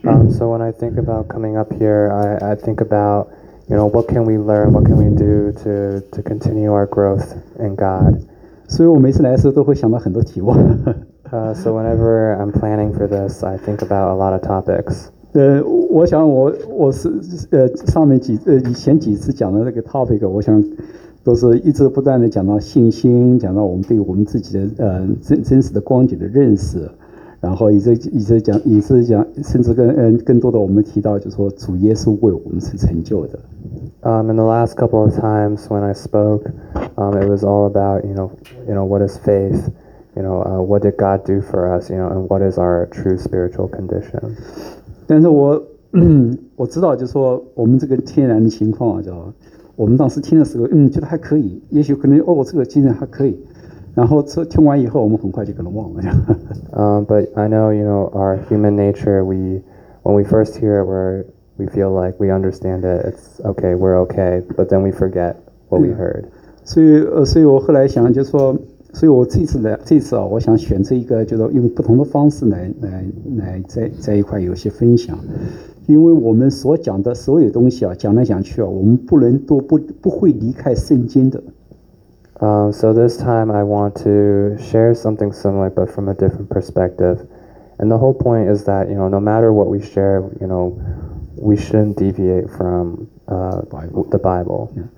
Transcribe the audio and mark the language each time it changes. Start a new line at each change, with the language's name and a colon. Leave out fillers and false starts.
English: So when I think about coming up here, I think about, you know, what can we learn, what can we do to continue our growth in God.
Chinese: 所以我每次来的时候都会想到很多题目。
English: So whenever I'm planning for this, I think about a lot of topics.
Chinese: 我想我是上面几以前几次讲的那个 topic， 我想都是一直不断的讲到信心，讲到我们对我们自己的真实的光景的认识，然后也是讲，甚至更多的我们提到，就是说主耶稣为我们是成就的。
English: In the last couple of times when I spoke, it was all about you know what is faith, what did God do for us, and what is our true spiritual condition.
Chinese: 但是我知道，就是说我们这个天然的情况，就我们当时听的时候，觉得还可以，也许可能哦，这个精神还可以。然后听完以后，我们很快就可能忘了。
English: But I know, our human nature. When we first hear it, we feel like we understand it. It's okay, we're okay. But then we forget what we heard.
Chinese: 所以我后来想，就是说，所以我这次我想选择一个，就是用不同的方式来在一块有些分享。因为我们所讲的所有东西啊，讲来讲去啊，我们不能都不会离开圣经的。
English: So this time I want to share something similar, but from a different perspective. And the whole point is that, no matter what we share, we shouldn't deviate from the Bible.